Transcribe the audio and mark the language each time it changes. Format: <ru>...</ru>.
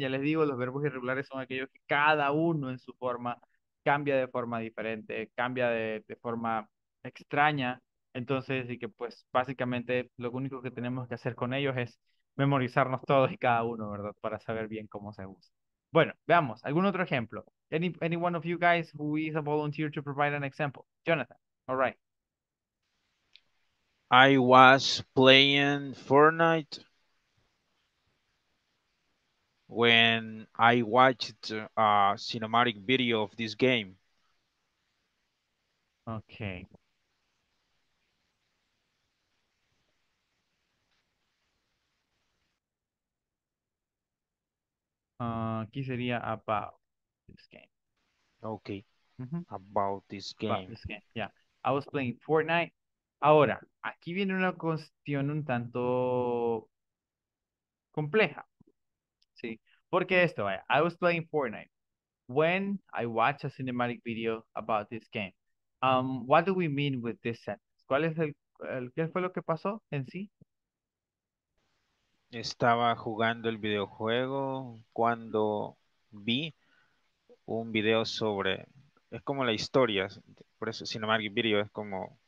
<es>Ya les digo, los verbos irregulares son aquellos que cada uno en su forma cambia de forma diferente, cambia de forma extraña. Entonces, y que pues básicamente lo único que tenemos que hacer con ellos es memorizarnos todos y cada uno, ¿verdad? Para saber bien cómo se usa. Bueno, veamos, algún otro ejemplo.</es> <en>Any one of you guys who is a volunteer to provide an example? Jonathan, all right. I was playing Fortnite when I watched a cinematic video of this game. Okay.</en> <es>Aquí sería</es> <en>about this game. Okay, about this About game. this game. Yeah. I was playing Fortnite.</en> <es>Ahora, aquí viene una cuestión un tanto compleja. Sí. Porque esto, vaya.</es> <en>I was playing Fortnite when I watched a cinematic video about this game. What do we mean with this sentence?</en> <es>¿Cuál es qué fue lo que pasó en sí? Estaba jugando el videojuego cuando vi un video sobre, es como la historia, por eso sin embargo el video es como</es>